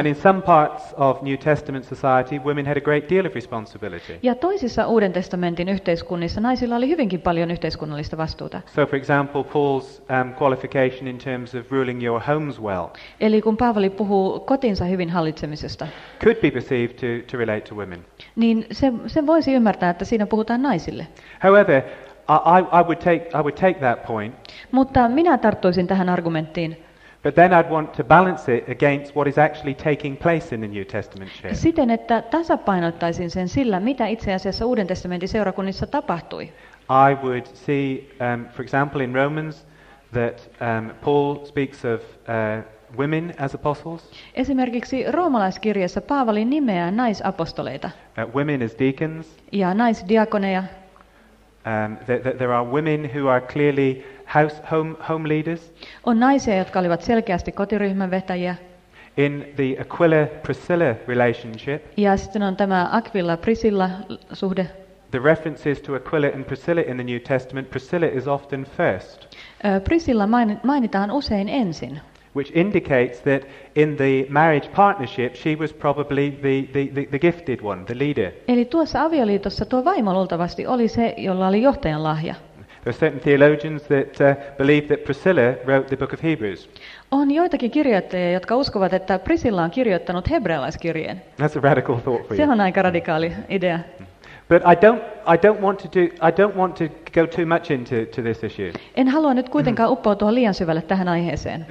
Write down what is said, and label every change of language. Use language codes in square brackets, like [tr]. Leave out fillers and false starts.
[en] And in some parts of New Testament society women had a great deal of responsibility. [fi] Ja toisissa Uuden testamentin yhteiskunnissa naisilla oli hyvinkin paljon yhteiskunnallista vastuuta. [en] So for example Paul's qualification in terms of ruling your homes well. [fi] Eli kun Paavali puhuu kotinsa hyvin hallitsemisesta. [en] Could be perceived to relate to women. [fi] Niin se voisi ymmärtää, että siinä puhutaan naisille. [en] However, I would take that point. [fi] Mutta minä tarttuisin tähän argumenttiin. [en] But then I'd want to balance it against what is actually taking place in the New Testament church. [fi] Siten, että tasapainottaisin sen sillä, mitä itse asiassa Uuden testamentin seurakunnissa tapahtui. [en] I would see, for example, in Romans, that Paul speaks of women as apostles. [fi] Esimerkiksi roomalaiskirjassa Paavali nimeää naisapostoleita. [en] Women as deacons. [fi] Ja naisdiakoneja. [en] There are women who are clearly home leaders. [fi] On naisia, jotka olivat selkeästi kotiryhmän vetäjiä. [en] In the Aquila-Priscilla relationship. [fi] Ja sitten on tämä Aquila-Priscilla suhde. [en] The references to Aquila and Priscilla in the New Testament, Priscilla is often first. [fi] Priscilla mainitaan usein ensin. [en] Which indicates that in the marriage partnership she was probably the gifted one, the leader. [fi] Eli tuossa avioliitossa tuo vaimo luultavasti oli se, jolla oli johtajan lahja. [en] There are certain theologians that believe that Priscilla wrote the book of Hebrews. [fi] On joitakin kirjoittajia, jotka uskovat, että Priscilla on kirjoittanut hebrealaiskirjeen. [en] That's a radical thought for you. [fi] Se on aika radikaali idea. [en] But I don't want to go too much into this issue. [fi] En halua nyt kuitenkaan uppoutua liian syvälle tähän aiheeseen.